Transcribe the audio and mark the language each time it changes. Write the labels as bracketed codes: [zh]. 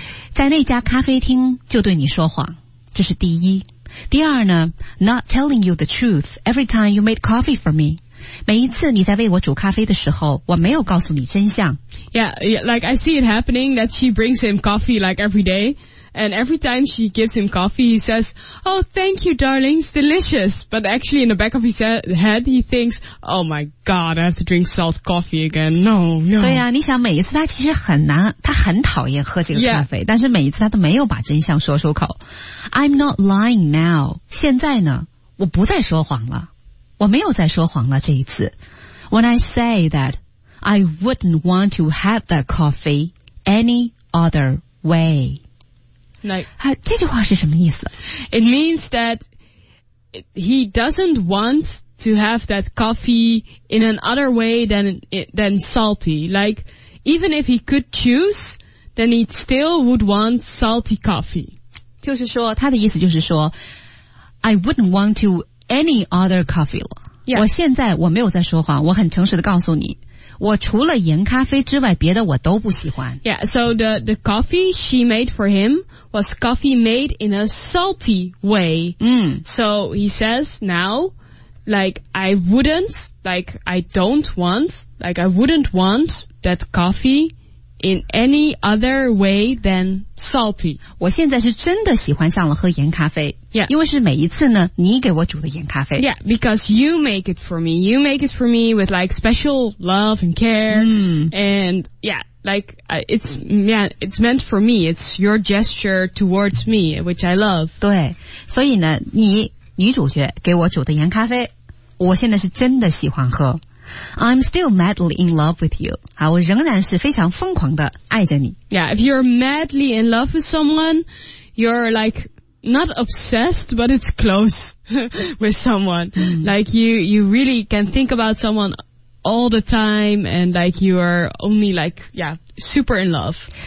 [zh] 在那家咖啡厅就对你说谎，这是第一。第二呢， [en] not telling you the truth every time you make coffee for me. [zh] 每一次你在为我煮咖啡的时候，我没有告诉你真相。 [en] Yeah, like I see it happening that she brings him coffee like every day. And every time she gives him coffee, he says, Oh, thank you, darling, it's delicious. But actually, in the back of his head, he thinks, Oh my God, I have to drink salt coffee again. No, no. [zh] 对啊，你想每一次他其实很难，他很讨厌喝这个咖啡，但是每一次他都没有把真相说出口。 [en] I'm not lying now. [zh] 现在呢，我不再说谎了。我没有再说谎了这一次。 [en] When I say that I wouldn't want to have that coffee any other way. Like, [zh] 这句话是什么意思 [en] It means that he doesn't want to have that coffee in another way than salty. Like, even if he could choose, then he still would want salty coffee. [zh] 就是说，他的意思就是说 [en] ，I wouldn't want to any other coffee 了。 Yeah. [zh] 我现在我没有在说谎，我很诚实的告诉你。我除了盐咖啡之外，别的我都不喜欢。 [en] Yeah, so the coffee she made for him was coffee made in a salty way. So he says now, I wouldn't want that coffee in any other way than salty. [zh] 我现在是真的喜欢上了喝盐咖啡。 [en] Yeah. [zh] 因为是每一次呢，你给我煮的盐咖啡。 [en] Yeah, because you make it for me. You make it for me with like special love and care. And yeah, like it's meant for me. It's your gesture towards me, which I love. [zh] 对，所以呢，你女主角给我煮的盐咖啡，我现在是真的喜欢喝。 [en] I'm still madly in love with you. [zh] 我仍然是非常疯狂的爱着你。 [en] Yeah, if you're madly in love with someone, you're like. Not obsessed, but it's close with someone. Like you really can think about someone all the time, and like you are only like, yeah, super in love.